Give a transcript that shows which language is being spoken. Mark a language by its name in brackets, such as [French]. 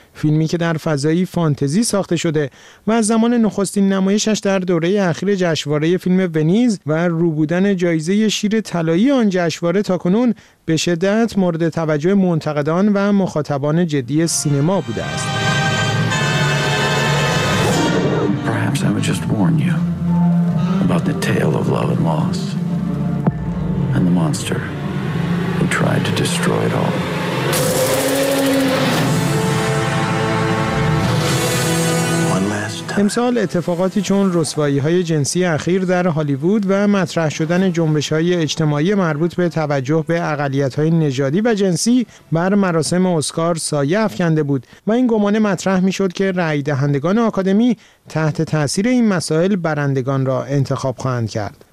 [Persian] فیلمی که در فضای فانتزی ساخته شده و از زمان نخستین نمایشش در دوره اخیر جشنواره فیلم ونیز و روبودن جایزه شیر طلایی آن جشنواره تاکنون به شدت مورد توجه منتقدان و مخاطبان جدی سینما بوده است. [English] Perhaps I would just warn you about the tale of love and loss and the monster who tried to destroy it all. [Persian] امسال اتفاقاتی چون رسوایی‌های جنسی اخیر در هالیوود و مطرح شدن جنبش‌های اجتماعی مربوط به توجه به اقلیت‌های نژادی و جنسی بر مراسم اسکار سایه افکنده بود و این گمانه مطرح می‌شد که رأی دهندگان آکادمی تحت تأثیر این مسائل برندگان را انتخاب خواهند کرد.